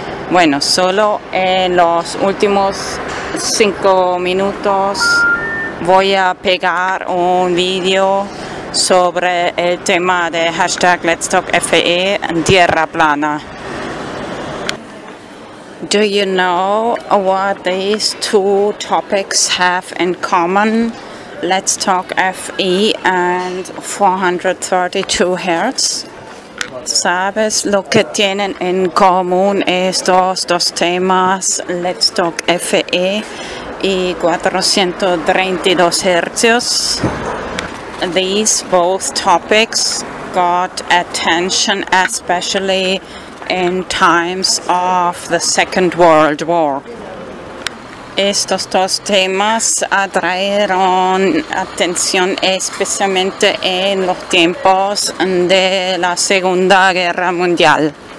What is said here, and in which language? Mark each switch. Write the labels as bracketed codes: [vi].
[es] Bueno, solo en los últimos 5 minutos voy a pegar un video sobre el tema de hashtag LetsTalkFE en tierra plana. [en] Do you know what these two topics have in common? LetsTalkFE and 432 hertz. [es] ¿Sabes lo que tienen en común estos dos temas, LetsTalkFE y 432 hertz? [en] These both topics got attention, especially in times of the Second World War. [es] Estos dos temas atrajeron atención especialmente en los tiempos de la Segunda Guerra Mundial.